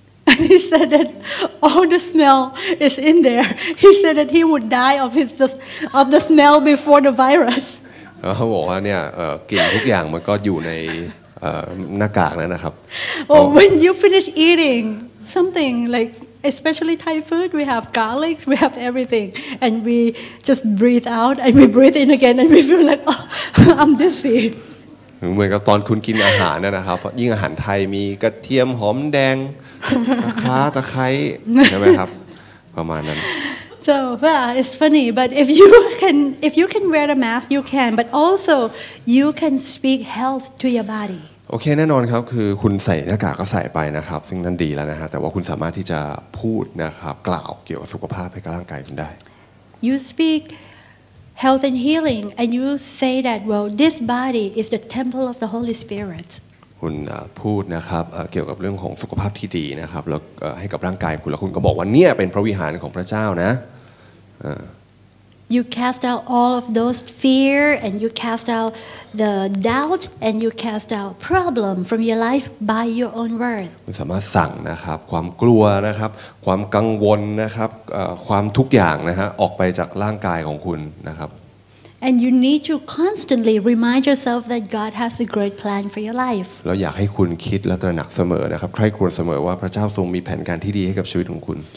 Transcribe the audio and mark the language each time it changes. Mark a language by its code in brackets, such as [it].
[en] And he said that all the smell is in there. He said that he would die of the smell before the virus. [th] เขาบอกว่าเนี่ยกลิ่นทุกอย่างมันก็อยู่ในหน้ากากนั่นนะครับ [en] Oh, when you finish eating something like especially Thai food, we have garlics, we have everything, and we just breathe out and we breathe in again and we feel like oh. I'm dizzy. [th] เหมือนกับตอนคุณกินอาหารนะครับยิ่งอาหารไทยมีกระเทียมหอมแดงตะไคร้ใช่ไหมครับประมาณนั้น [en] So well, it's funny, but if you can wear a mask, you can. But also, you can speak health to your body. [th] โอเคแน่นอนครับคือคุณใส่หน้ากากก็ใส่ไปนะครับซึ่งนั่นดีแล้วนะฮะแต่ว่าคุณสามารถที่จะพูดนะครับกล่าวเกี่ยวกับสุขภาพให้กับร่างกายคุณได้ [en] You speakHealth and healing, and you say that well. This body is the temple of the Holy Spirit. [th] คุณพูดนะครับเกี่ยวกับเรื่องของสุขภาพที่ดีนะครับแล้วให้กับร่างกายคุณแล้วคุณก็บอกว่าเนี่ยเป็นพระวิหารของพระเจ้านะ [en] You cast out all of those fear, and you cast out the doubt, and you cast out problem from your life by your own word. [th] คุณสามารถสั่งนะครับความกลัวนะครับความกังวลนะครับความทุกอย่างนะฮะออกไปจากร่างกายของคุณนะครับ [en] And you need to constantly remind yourself that God has a great plan for your life. [th] เราอยากให้คุณคิดและตระหนักเสมอนะครับใคร่ครวญเสมอว่าพระเจ้าทรงมีแผนการที่ดีให้กับชีวิตของคุณ